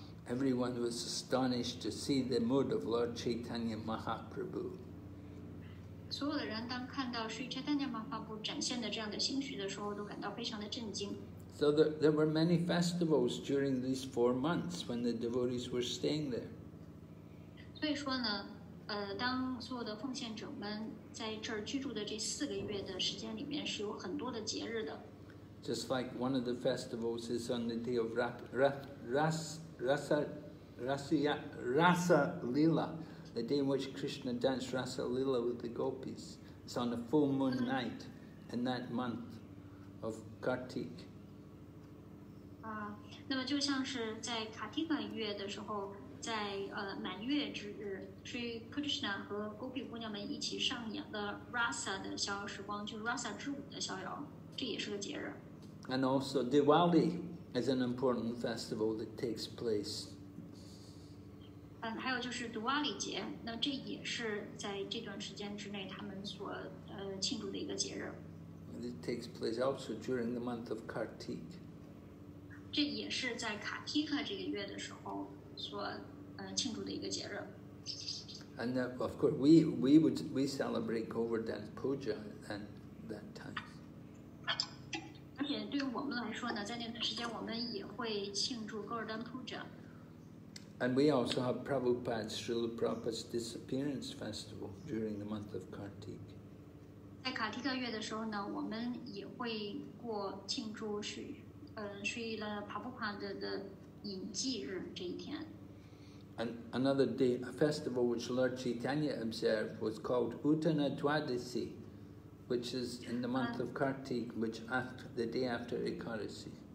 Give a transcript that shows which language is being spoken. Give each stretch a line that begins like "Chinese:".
English: Everyone was astonished to see the mood of Lord Chaitanya Mahaprabhu. So there were many festivals during these 4 months when the devotees were staying there.
Chinese: 所以说呢，当所有的奉献者们在这儿居住的这四个月的时间里面，是有很多的节日的。
English: Just like one of the festivals is on the day of Rasa Lila, the day in which Krishna danced Rasa Lila with the gopis. It's on a full moon night in that month of Kartik.
Chinese: 那么就像是在卡蒂卡月的时候，在满月之日，所以 Krishna 和 Gopi 姑娘们一起上演的 Rasa 的逍遥时光，就是 Rasa 之舞的逍遥，这也是个节日。
English: And also Diwali is an important festival that takes place.
Chinese: 还有就是 Diwali 节，那这也是在这段时间之内他们所庆祝的一个节日。
English: And it takes place also during the month of Kartik.
Chinese: 这也是在卡提克这个月的时候所庆祝的一个节日。
English: And that, of course, we celebrate Govardhan Puja at that time.
Chinese: 而且对于我们来说呢，在那段时间我们也会庆祝 Govardhan Puja.
English: And we also have Prabhupada's Srila Prabhupada's disappearance festival during the month of Kartik.
Chinese: 在卡提克月的时候呢，我们也会过庆祝是。
English: And another day, a festival which Lord Chaitanya observed was called Uttana Dwadasi, which is in the month of Kartik, which after the day after Ekadasi.